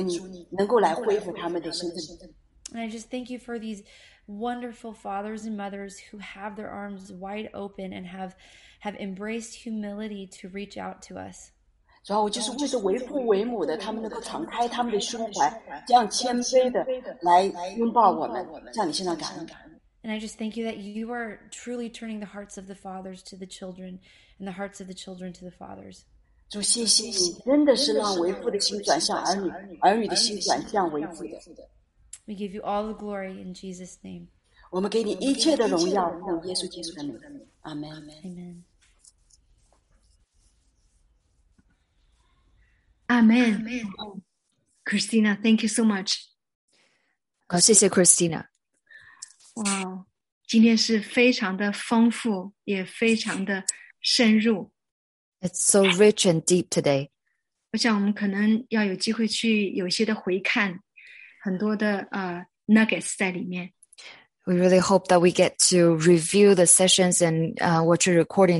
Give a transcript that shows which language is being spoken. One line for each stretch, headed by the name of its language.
Chinese: 主啊,我们就提前的来感谢你,为着每一个能够在自由中活的心里,因为主你能够来恢复他们的心里。
English: And I just thank you for these wonderful fathers and mothers who have their arms wide open and have embraced humility to reach out to us.
Chinese: 主要我就是为着为父为母的,他们能够敞开他们的胸怀,这样谦卑的来拥抱我们,向你身上感恩。
English: And I just thank you that you are truly turning the hearts of the fathers to the children and the hearts of the children to the fathers.
Chinese: 主谢谢你,真的是让为父的心转向儿女,儿女的心转向为父的。
English: We give you all the glory in Jesus' name.
Chinese: 我们给你一切的荣耀,奉耶稣基督的名。Amen.
English: Amen. Amen. Christina, thank you so much.
Chinese: 谢谢 Christina. Wow, 今天是非常的丰富,也非常的深入。
English: It's so rich and deep today.
Chinese: 我想我们可能要有机会去有些的回看。很多的nuggets 在里面。
English: We really hope that we get to review the sessions and watch a recording.